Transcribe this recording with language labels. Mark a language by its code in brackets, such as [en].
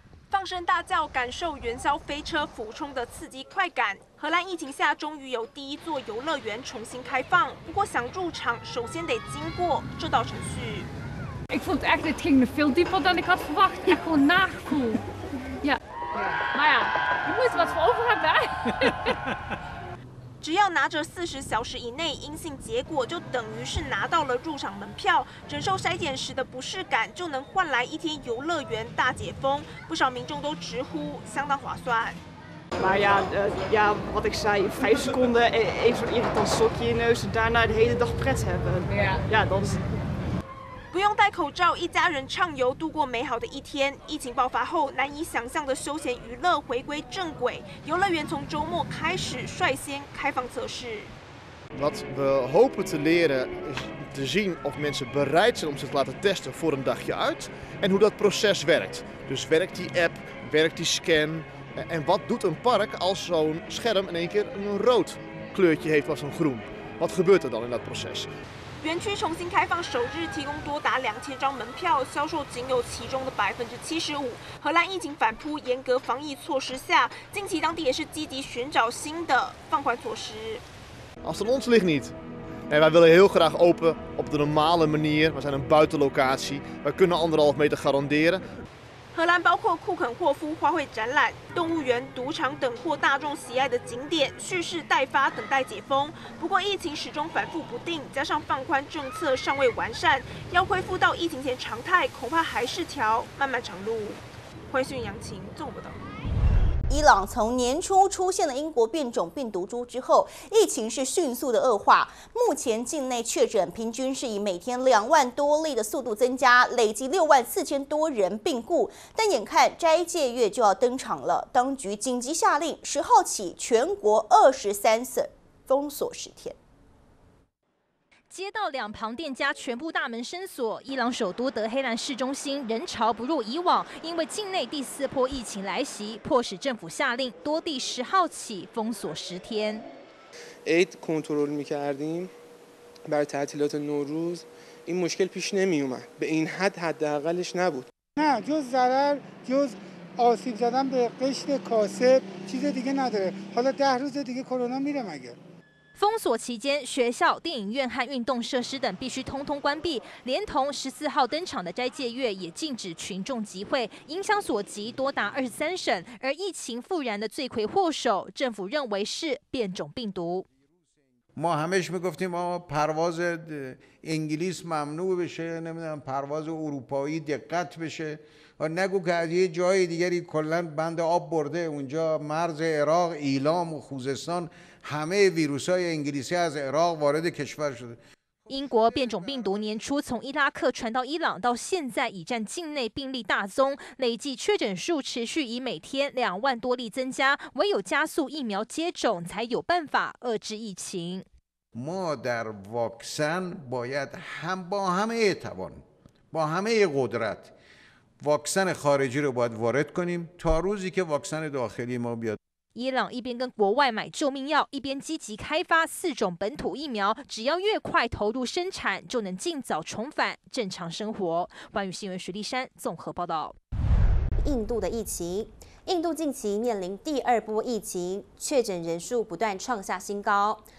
[zh] 放声大叫，感受元宵飞车俯冲的刺激快感。荷兰疫情下，终于有第一座游乐园重新开放。不过，想入场首先得经过这道程序。 [nl] Ik vond echt het ging veel dieper dan ik had verwacht. Ik kon nagevoel. Ja. Maar ja, je moet wat voor over hebben. [zh] 只要拿着40小时以内阴性结果，就等于是拿到了入场门票。忍受筛检时的不适感，就能换来一天游乐园大解封。不少民众都直呼相当划算。 [nl] Maar ja, ja, wat ik zei, 5 seconden, even zo'n irritant sokje in je neus en daarna de hele dag pret hebben. Ja, dat is. [zh] 不用戴口罩，一家人畅游度过美好的一天。疫情爆发后，难以想象的休闲娱乐回归正轨。游乐园从周末开始率先开放测试。 [nl] Wat we hopen te leren is te zien of mensen bereid zijn om zich te laten testen voor een dagje uit en hoe dat proces werkt. Dus werkt die app, werkt die scan? En wat doet een park als zo'n scherm in één keer een rood kleurtje heeft als een groen? Wat gebeurt er dan in dat proces? [zh] 园区重新开放首日提供多达2000张门票，销售仅有其中的75%。荷兰疫情反扑，严格防疫措施下，近期当地也是积极寻找新的放宽措施。 [nl] Als het aan ons ligt niet. Nee, wij willen heel graag open op de normale manier. We zijn een buitenlocatie. We kunnen 1.5 meter garanderen. [zh] 荷兰包括库肯霍夫花卉展览、动物园、赌场等获大众喜爱的景点蓄势待发，等待解封。不过疫情始终反复不定，加上放宽政策尚未完善，要恢复到疫情前常态，恐怕还是条漫漫长路。欢迎杨晴，纵火岛。伊朗从年初出现了英国变种病毒株之后，疫情是迅速的恶化。目前境内确诊平均是以每天20,000多例的速度增加，累计64,000多人病故。但眼看斋戒月就要登场了，当局紧急下令10号起全国23省封锁10天。街道两旁店家全部大门深锁，伊朗首都德黑兰市中心人潮不如以往，因为境内第四波疫情来袭，迫使政府下令多地10号起封锁10天。 [fa] عید کنترل میکردیم بر تعطیلات نوروز این مشکل پیش نمیومد به این حد حداقلش نبود. نه جز ضرر جز آسیب زدن به قشر کاسب چیز دیگه نداره. حالا 10 روز دیگه کرونا میره مگه؟ [zh] 封锁期间，学校、电影院和运动设施等必须通通关闭，连同14号登场的斋戒月也禁止群众集会，影响所及多达23省。而疫情复燃的罪魁祸首，政府认为是变种病毒。 [fa] ما همیشه میگفتیم آقا پرواز انگلیس ممنوع بشه، نمیدونم پرواز اروپایی دقت بشه، نگو که از یه جای دیگری کلا بند آب برده اونجا مرز عراق، ایلام و خوزستان همه ویروس‌های انگلیسی از عراق وارد کشور شده. [zh] 英国变种病毒年初从伊拉克传到伊朗，到现在已占境内病例大宗，累计确诊数持续以每天20,000多例增加，唯有加速疫苗接种才有办法遏制疫情。 [fa] ما در واکسن باید هم با همه توان با همه قدرت واکسن خارجی رو باید وارد کنیم تا روزی که واکسن داخلی ما بیاد。 [zh] 伊朗一边跟国外买救命药，一边积极开发4种本土疫苗，只要越快投入生产，就能尽早重返正常生活。环宇新闻徐立山综合报道。印度的疫情，印度近期面临第二波疫情，确诊人数不断创下新高。